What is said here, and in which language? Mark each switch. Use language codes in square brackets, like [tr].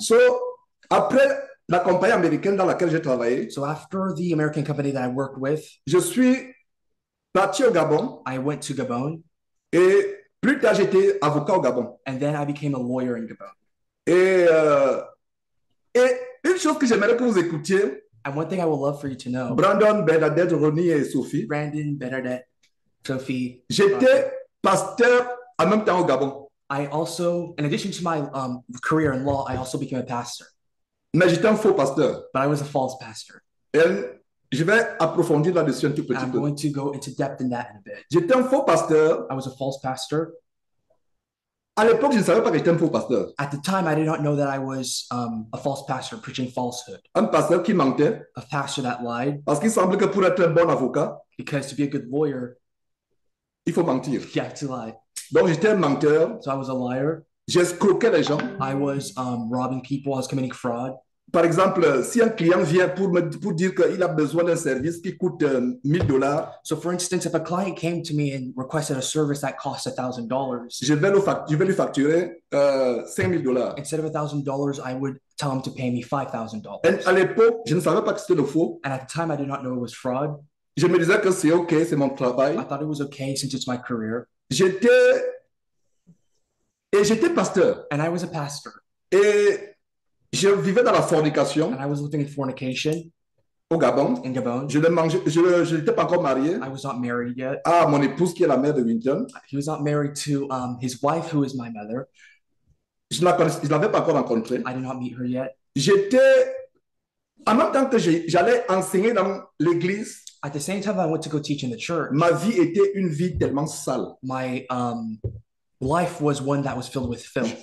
[fr] So, après la compagnie américaine dans laquelle j'ai travaillé. [en] So after the American company that I worked with. [fr] Je suis parti au Gabon. [en] I went to Gabon. [fr] Et plus tard, j'étais avocat au Gabon. [en] And then I became a lawyer in Gabon. [fr] Et une chose que j'aimerais que vous écoutiez. [en] And one thing I would love for you to know. [fr] Brandon, Bernadette, Ronnie et Sophie. [en] Brandon, Bernadette, Sophie. [fr] J'étais pasteur en même temps au Gabon. [en] I also, in addition to my career in law, I also became a pastor. [fr] Mais j'étais un faux pasteur. [en] But I was a false pastor. [fr] Et je vais approfondir là-dessus un tout petit [en] I'm [fr] peu. [en] I'm going to go into depth in that in a bit. [fr] J'étais un faux pasteur. [en] I was a false pastor. [fr] À l'époque, je ne savais pas que j'étais un faux pasteur. [en] At the time, I did not know that I was a false pastor preaching falsehood. [fr] Un pasteur qui mentait. [en] A pastor that lied. [fr] Parce qu'il semble que pour être un bon avocat. [en] Because to be a good lawyer. [fr] Il faut mentir. [en] You have to lie. [fr] Donc j'étais un menteur. [en] So I was a liar. [fr] J'ai escroqué les gens. [en] I was robbing people, I was committing fraud. [fr] Par exemple, si un client vient pour dire qu'il a besoin d'un service qui coûte $1,000. [en] So for instance, if a client came to me and requested a service that cost $1,000. [fr] Je vais lui facturer $5,000. [en] Instead of $1,000, I would tell him to pay me $5,000. [fr] Et à l'époque, je ne savais pas que c'était le faux. [en] And at the time, I did not know it was fraud. [fr] Je me disais que c'est OK, c'est mon travail. [en] I thought it was okay since it's my career. [fr] J'étais pasteur. [en] And I was a pastor. [fr] Et je vivais dans la fornication. [en] And I was living in fornication. [fr] Au Gabon. [en] In Gabon. [fr] Je n'étais pas encore marié. [en] I was not married yet. [fr] Ah, mon épouse qui est la mère de Winton. [en] He was not married to his wife, who is my mother. [fr] Je l'avais pas encore rencontré. [en] I did not meet her yet. [fr] En même temps que j'allais enseigner dans l'église. [en] At the same time I went to go teach in the church. [fr] Ma vie était une vie tellement sale. [en] My life was one that was filled with filth.